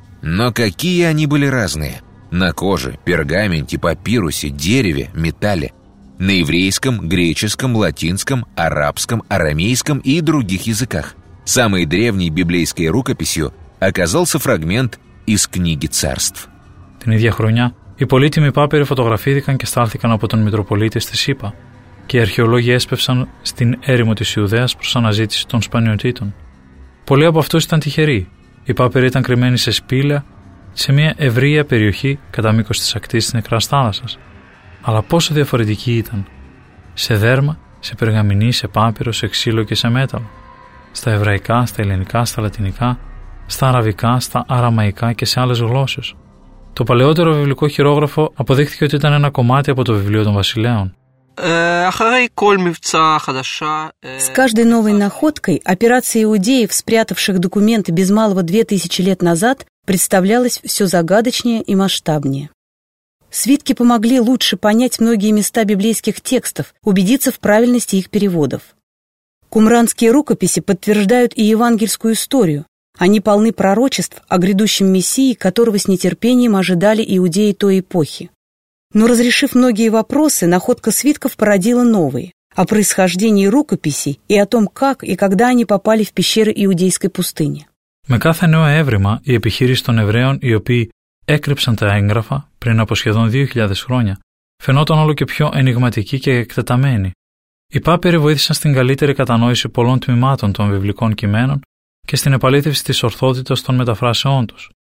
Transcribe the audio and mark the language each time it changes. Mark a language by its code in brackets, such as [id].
[ru] Но какие они были разные! На коже, пергаменте, папирусе, дереве, металле. На еврейском, греческом, латинском, арабском, арамейском и других языках. Самой древней библейской рукописью оказался фрагмент из книги царств. [el] Την ίδια χρονιά, οι πολύτιμοι πάπυροι φωτογραφήθηκαν και στάλθηκαν από τον Μητροπολίτη στη ΣΥΠΑ και οι αρχαιολόγοι έσπευσαν στην έρημο της Ιουδαίας προς αναζήτηση των σπανιωτήτων. Πολλοί από αυτούς ήταν τυχεροί. Οι πάπυροι ήταν κρυμμένοι σε σπήλαια σε μια ευρεία περιοχή κατά μήκος της ακτής της Νεκράς Θάλασσας. Αλλά πόσο διαφορετικοί ήταν. Σε δέρμα, σε περγαμηνή, σε πάπυρο, σε ξύλο και σε μέταλλο. Στα εβραϊκά, στα ελληνικά, στα λατινικά, στα αραβικά, στα αραμαϊκά και σε άλλες γλώσσες. Το παλαιότερο βιβλικό χειρόγραφο αποδείχθηκε ότι ήταν ένα κομμάτι από το βιβλίο των βασιλέων. [ru] С каждой новой находкой операция иудеев, спрятавших документы без малого 2000 лет назад, представлялась все загадочнее и масштабнее. Свитки помогли лучше понять многие места библейских текстов, убедиться в правильности их переводов. Кумранские рукописи подтверждают и евангельскую историю. Они полны пророчеств о грядущем Мессии, которого с нетерпением ожидали иудеи той эпохи. Но разрешив многие вопросы, находка свитков породила новые. О происхождении рукописей и о том, как и когда они попали в пещеры Иудейской пустыни. [el] Με κάθε νέο έβριμα, οι επιχείρησεις των Εβραίων, οι οποίοι έκρυψαν τα έγγραφα πριν από σχεδόν 2.000 χρόνια, φαινόταν όλο και πιο ενιγματικοί και εκτεταμένοι. Οι πάπυροι βοήθησαν στην καλύτερη κατανόηση πολλών τμημάτων των βιβλικών κειμένων και στην επαλήθευση της ορθότητας των μεταφράσεών τους.